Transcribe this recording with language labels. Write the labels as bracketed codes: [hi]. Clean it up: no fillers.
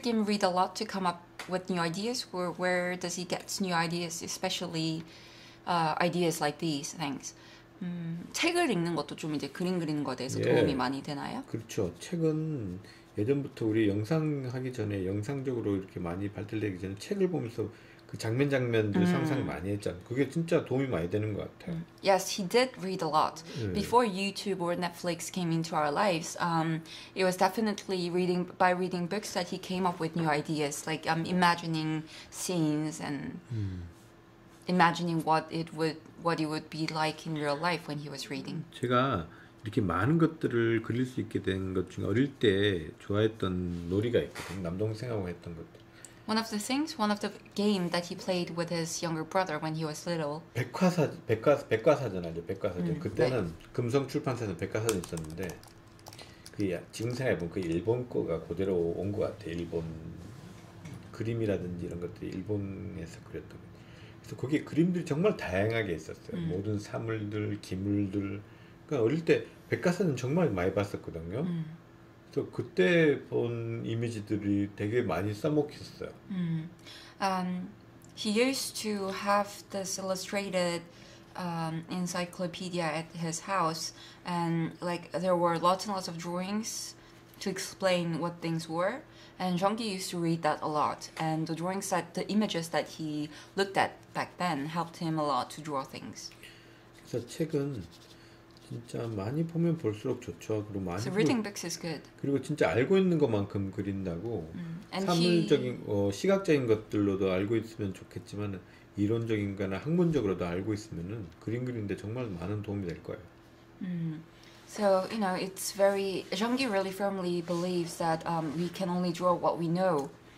[en] Kim read a lot to come up with new ideas or where does he get new ideas especially ideas like these. Thanks. [ko] 책을 읽는 것도 좀 이제 그림 그리는 거에 대해서 예. 도움이 많이 되나요? 그렇죠. 책은 예전부터 우리 영상 하기 전에 영상적으로 이렇게 많이 발달되기 전에 책을 보면서 그 장면 장면들 상상 많이 했잖아요. 그게 진짜 도움이 많이 되는 것 같아요. [en] Yes, he did read a lot. Before YouTube or Netflix came into our lives, it was definitely reading books that he came up with new ideas, like imagining scenes and imagining what it would be like in real life when he was reading. [ko] 제가 이렇게 많은 것들을 그릴 수 있게 된 것 중에 어릴 때 좋아했던 놀이가 있거든요. 남동생하고 했던 것들. [en] One of the game that he played with his younger brother when he was little. [ko] 백과사전 알죠? 백과사전. 그때는 네. 금성 출판사에서 백과사전 있었는데 그 징상에 보면 그 일본 거가 그대로 온 것 같아. 일본 그림이라든지 이런 것들이 일본에서 그렸던 것. 그래서 거기 그림들이 정말 다양하게 있었어요. 모든 사물들, 기물들. 그러니까 어릴 때 백과사전 정말 많이 봤었거든요. 또 그때 본 이미지들이 되게 많이 써먹혔어요. [en] He used to have this illustrated encyclopedia at his house, and like there were lots and lots of drawings to explain what things were. And Zhongli used to read that a lot. And the drawings that the images that he looked at back then helped him a lot to draw things. [ko] 그래서 책은 진짜 많이 보면 볼수록 좋죠. 그리고 많이 [en] so reading books is good. [ko] 그리고 진짜 알고 있는 것만큼 그린다고 사물적인 시각적인 것들로도 알고 있으면 좋겠지만 이론적인 거나 학문적으로도 알고 있으면은 그림 그리는데 정말 많은 도움이 될 거예요. [en] So, you know, it's very Zhongli really firmly believes that we can only draw what we know.